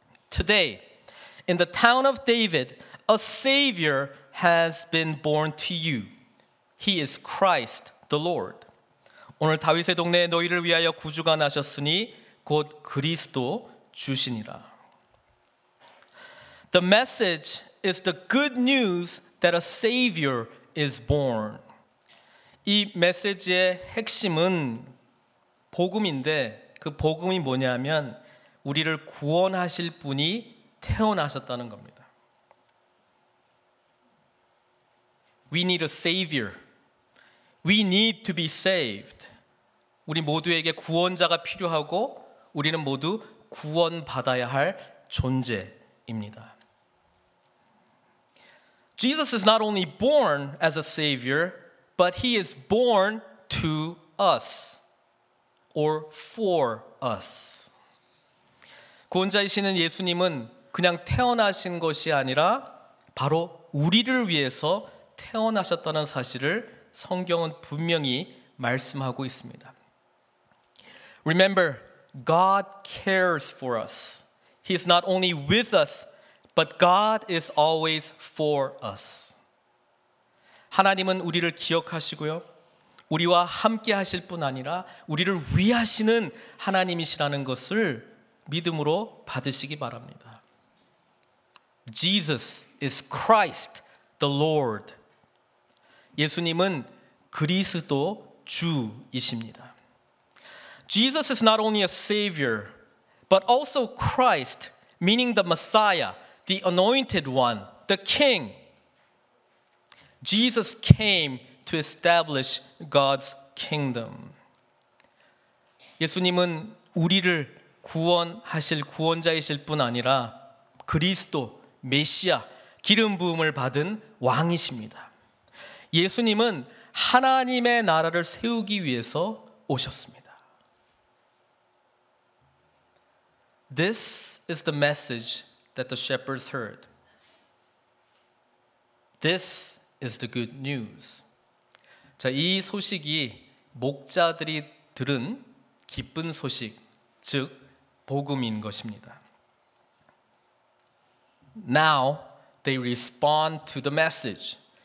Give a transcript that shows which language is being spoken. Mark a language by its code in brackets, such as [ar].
[en] Today in the town of David, a Savior has been born to you. He is Christ the Lord. [ko] 오늘 다윗의 동네에 너희를 위하여 구주가 나셨으니 곧 그리스도 주시니라. [en] The message is the good news that a Savior is born. [ko] 이 메시지의 핵심은 복음인데 그 복음이 뭐냐면 우리를 구원하실 분이 태어나셨다는 겁니다. [en] We need a savior. We need to be saved. [ko] 우리 모두에게 구원자가 필요하고 우리는 모두 구원받아야 할 존재입니다. [en] Jesus is not only born as a savior, but he is born to us or for us. [ko] 구원자이시는 예수님은 그냥 태어나신 것이 아니라 바로 우리를 위해서 태어나셨다는 사실을 성경은 분명히 말씀하고 있습니다. [en] Remember, God cares for us. He is not only with us, but God is always for us. [ko] 하나님은 우리를 기억하시고요. 우리와 함께 하실 뿐 아니라 우리를 위하시는 하나님이시라는 것을 믿음으로 받으시기 바랍니다. [en] Jesus is Christ, the Lord. [ko] 예수님은 그리스도 주이십니다. [en] Jesus is not only a savior, but also Christ, meaning the Messiah, the anointed one, the king. Jesus came to establish God's kingdom. [ko] 예수님은 우리를 구원하실 구원자이실 뿐 아니라 그리스도, 메시아, 기름 부음을 받은 왕이십니다. 예수님은 하나님의 나라를 세우기 위해서 오셨습니다. [en] This is the message that the shepherds heard. This is the good news. [ko] 자, 이 소식이 목자들이 들은 기쁜 소식, 즉 복음인 것입니다. [en] Now they respond to the message.